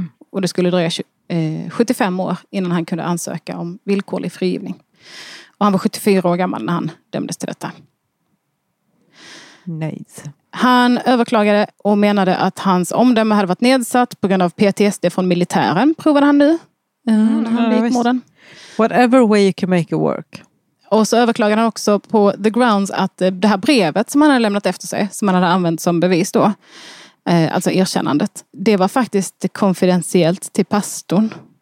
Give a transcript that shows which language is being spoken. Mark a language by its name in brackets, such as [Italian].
[Swedish] Och det skulle dröja 75 år innan han kunde ansöka om villkorlig frigivning. Och han var 74 år gammal när han dömdes till detta. [English] Nice. [Swedish] Han överklagade och menade att hans omdöme hade varit nedsatt på grund av PTSD från militären, provade han nu. Han begick morden. [English] Whatever way you can make it work. [Swedish] Och så överklagade han också på [English] the grounds [Swedish] att det här brevet som han hade lämnat efter sig, som han hade använt som bevis då, alltså erkännandet, det var faktiskt konfidentiellt till pastorn.